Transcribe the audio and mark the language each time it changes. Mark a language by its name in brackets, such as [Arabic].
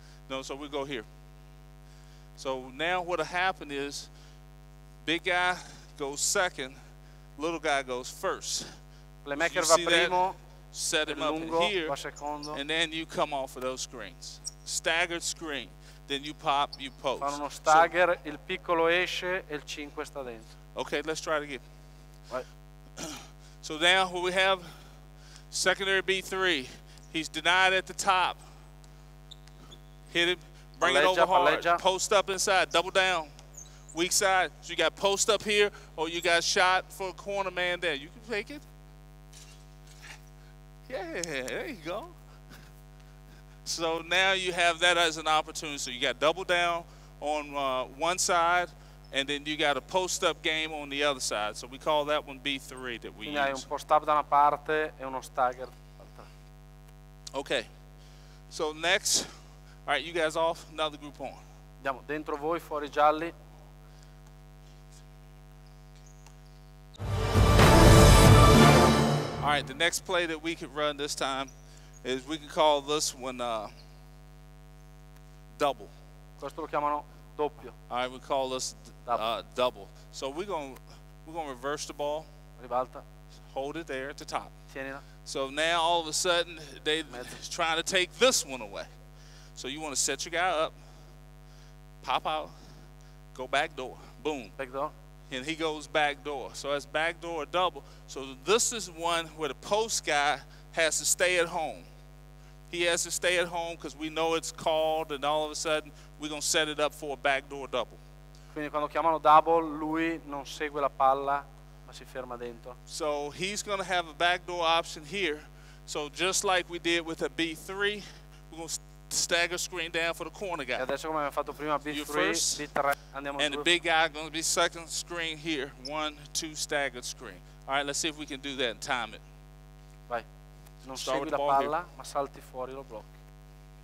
[English] No, so we go here. So now what will happen is big guy goes second, little guy goes first. [Italian] Playmaker va primo, [English] set him [Italian] lungo, [English] up here, [Italian] va secondo. [English] And then you come off of those screens. Staggered screen, then you pop, you post. [Italian] Fanno uno stagger, so, il piccolo esce e il 5 sta dentro. [English] Okay, let's try it again. Right. So now what we have, secondary B3. He's denied at the top. Hit it, bring [Italian] palleggia, [English] it over hard. [Italian] Palleggia. [English] Post up inside, double down. Weak side. So you got post up here, or you got shot for a corner man there. You can take it. Yeah, there you go. So now you have that as an opportunity. So you got double down on one side, and then you got a post-up game on the other side. So we call that one B3 that we [Italian] quindi [English] use. [Italian] Hai un post-up da una parte e uno stagger. [English] Okay. So next. All right, you guys off. Another group on. [Italian] Andiamo dentro voi, fuori gialli. [English] All right, the next play that we could run this time is we could call this one double. [Italian] Questo lo chiamano doppio. [English] All right, we call this double. So we're gonna reverse the ball. [Italian] Ribalta. [English] Hold it there at the top. [Italian] Tienila. [English] So now all of a sudden they're trying to take this one away. So you want to set your guy up, pop out, go back door, boom. Back door. And he goes back door. So that's back door double. So this is one where the post guy has to stay at home. He has to stay at home because we know it's called, and all of a sudden we're gonna set it up for a back door double. [Italian] Quindi quando chiamano double, lui non segue la palla, ma si ferma dentro. [English] So he's going to have a backdoor option here. So just like we did with a B3, we're going to stagger screen down for the corner guy. [Italian] E adesso come abbiamo fatto prima, B3, [English] first, [Italian] B3, andiamo [English] and the big guy is going to be second screen here. One, two, staggered screen. All right, let's see if we can do that and time it. [Italian] Vai. Non start segui la palla, [English] here. [Italian] Ma salti fuori, lo blocchi.